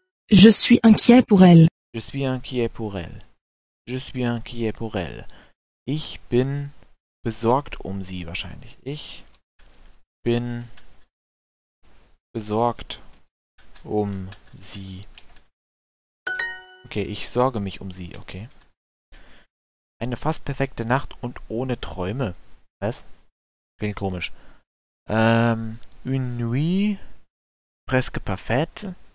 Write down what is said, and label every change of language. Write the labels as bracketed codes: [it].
[fr] Je suis inquiet pour elle. Je suis inquiet pour elle. Je suis inquiet pour elle. [de] Ich bin besorgt um sie wahrscheinlich. Ich bin besorgt um sie. Okay, ich sorge mich um sie, okay. Eine fast perfekte Nacht und ohne Träume. Was? Klingt komisch. [fr] Une nuit presque parfaite.